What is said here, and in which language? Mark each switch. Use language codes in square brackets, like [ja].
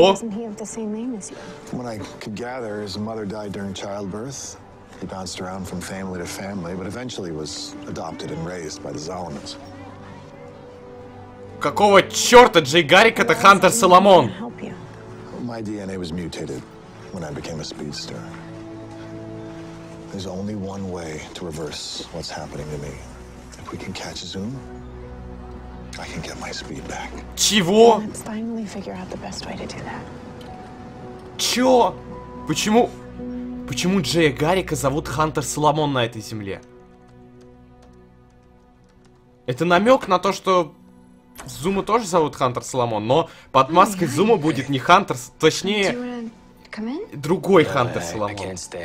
[en] Why doesn't he have the same name as you? From what I could gather, his mother died during childbirth. He bounced around from family to family, but eventually was adopted and raised by the Zolomons. [ru] Какого черта, Джей Гаррик, это Хантер Соломон? [en] My DNA was mutated when I became a speedster. There's only one way to reverse what's happening to me. If we can catch Zoom, I can get my speed back. [ru] Чего? [en] Let's finally figure out the best way to do that. [ru] Чё? Почему Джея Гаррика зовут Хантер Соломон на этой земле? Это намек на то, что Зума тоже зовут Хантер Соломон, но под маской Зума будет не Хантер, точнее, другой Хантер Соломон.